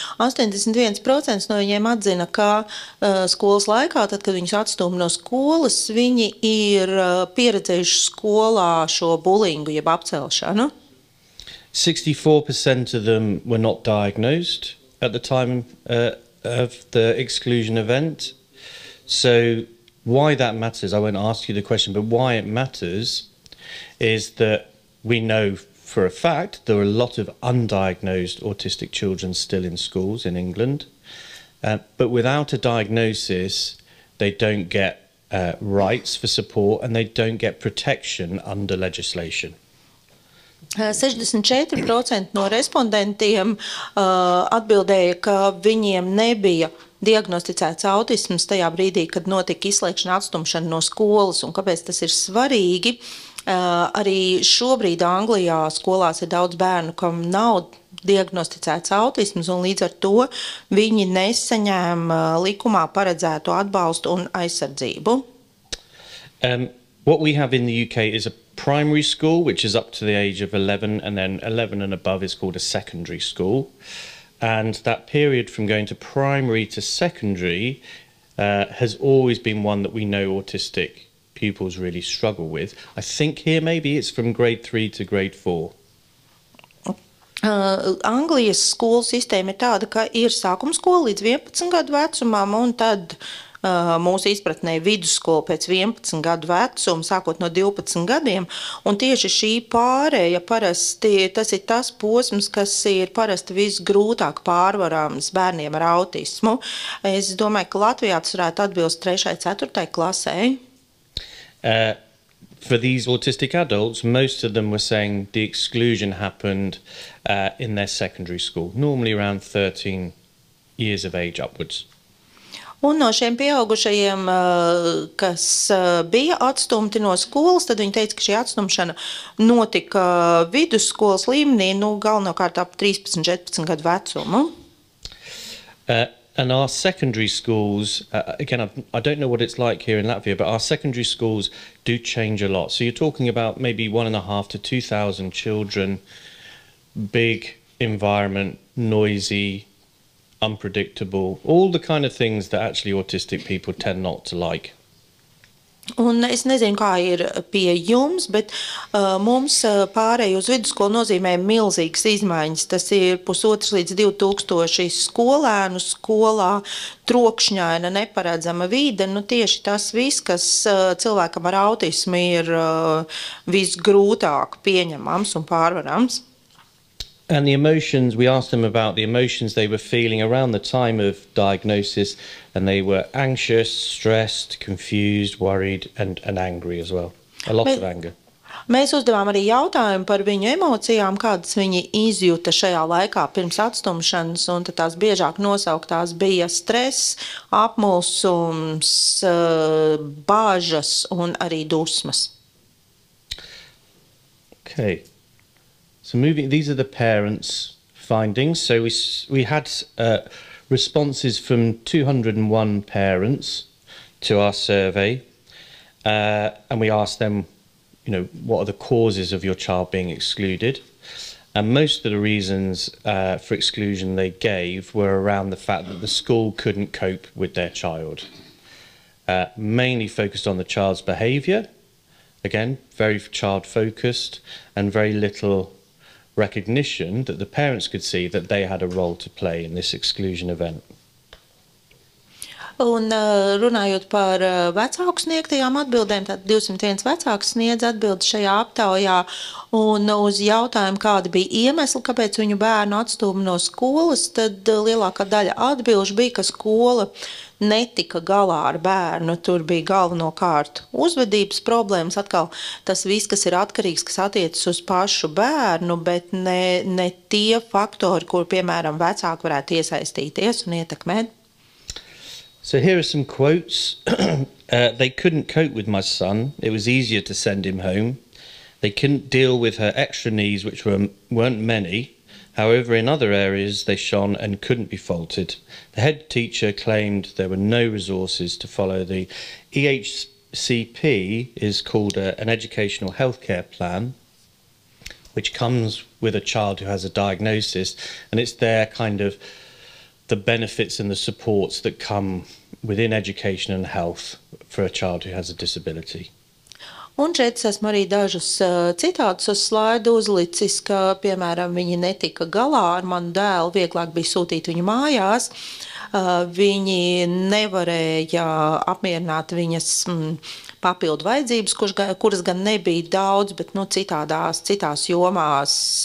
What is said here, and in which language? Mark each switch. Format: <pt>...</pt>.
<lv>81% no viņiem atzina, ka skolas laikā, tad, kad viņus atstūma no skolas, viņi ir pieredzējuši skolā šo bulingu, jeb apcelšanu.</lv> <en>64% of them were not diagnosed at the time of the exclusion event. So why that matters, I won't ask you the question, but why it matters is that we know for a fact there are a lot of undiagnosed autistic children still in schools in England, but without a diagnosis they don't get rights for support and they don't get protection under legislation.</en> <lv>64% no respondentiem atbildēja, ka viņiem nebija diagnosticēts autisms tajā brīdī, kad notika izslēgšana, atstumšana no skolas, un kāpēc tas ir svarīgi. Arī šobrīd Anglijā skolās ir daudz bērnu, kam nav diagnosticēts autisms, un līdz ar to viņi nesaņēma likumā paredzēto atbalstu un aizsardzību.</lv> <en>What we have in the UK is a primary school, which is up to the age of 11, and then 11 and above is called a secondary school. And that period from going to primary to secondary has always been one that we know autistic pupils really struggle with. I think here maybe it's from grade 3 to grade 4.</en> <lv>Anglijas skolu sistēma ir tāda, ka ir sākumskola līdz 11 gadu vecumam, un tad mūsu izpratnē vidusskola pēc 11 gadu vecuma, sākot no 12 gadiem, un tieši šī pārēja parasti, tas ir tas posms, kas ir parasti visgrūtāk pārvarams bērniem ar autismu. Es domāju, ka Latvijā tas varētu atbilst 3. 4. klasē.</lv> <en>For these autistic adults, most of them were saying the exclusion happened in their secondary school, normally around 13 years of age upwards.</en> <lv>Un no šiem pieaugušajiem, kas bija atstumti no skolas, tad viņi teica, ka šī atstumšana notika vidusskolas līmenī, nu galvenokārt ap 13-14 gadu vecumu.</lv> <en>And our secondary schools, again, I don't know what it's like here in Latvia, but our secondary schools do change a lot. So you're talking about maybe 1,500 to 2,000 children, big environment, noisy, unpredictable, all the kind of things that actually autistic people tend not to like.</en> <lv>Un es nezinu, kā ir pie jums, bet mums pārēju uz vidusskolu nozīmē milzīgas izmaiņas. Tas ir 1,5 līdz 2 000 skolēnu skolā, trokšņaina, neparedzama vide. Nu, tieši tas viss, kas cilvēkam ar autismu ir visgrūtāk pieņemams un pārvarams.</lv> <en>And the emotions, we asked them about the emotions they were feeling around the time of diagnosis, and they were anxious, stressed, confused, worried, and angry as well. A lot of anger.</en> <lv>Mēs uzdevām arī jautājumu par viņu emocijām, kādas viņi izjuta šajā laikā pirms atstumšanas, un tad tās biežāk nosauktās bija stress, apmulsums, bāžas un arī dusmas.</lv> <en>Okay. So moving, these are the parents' findings. So we had responses from 201 parents to our survey, and we asked them, you know, what are the causes of your child being excluded? And most of the reasons for exclusion they gave were around the fact that the school couldn't cope with their child. mainly focused on the child's behavior. Again, very child focused and very little recognition that the parents could see that they had a role to play in this exclusion event.</en> <lv>Un runājot par vecāku sniegtajām atbildēm, tad 201 vecāks sniedz atbildi šajā aptaujā un uz jautājumu, kāda bija iemesla, kāpēc viņu bērnu atstūma no skolas, tad lielākā daļa atbilžu bija, ka skola netika galā ar bērnu, tur bija galvenokārt uzvedības problēmas, atkal tas viss, kas ir atkarīgs, kas attiecas uz pašu bērnu, bet ne tie faktori, kur, piemēram, vecāki varētu iesaistīties un ietekmēt.</lv> <en>So here are some quotes. They couldn't cope with my son. It was easier to send him home. They couldn't deal with her extra needs, which weren't many. However, in other areas, they shone and couldn't be faulted. The head teacher claimed there were no resources to follow. The EHCP is called an educational healthcare plan, which comes with a child who has a diagnosis, and it's their kind of the benefits and the supports that come within education and health for a child who has a disability.</en> <lv>Un šeit es esmu arī dažus citātus uz slaidu uzlicis, ka, piemēram, viņi netika galā ar manu dēlu, vieglāk bija sūtīt viņu mājās, viņi nevarēja apmierināt viņas papildu vajadzības, kuras gan nebija daudz, bet nu, citās jomās</lv>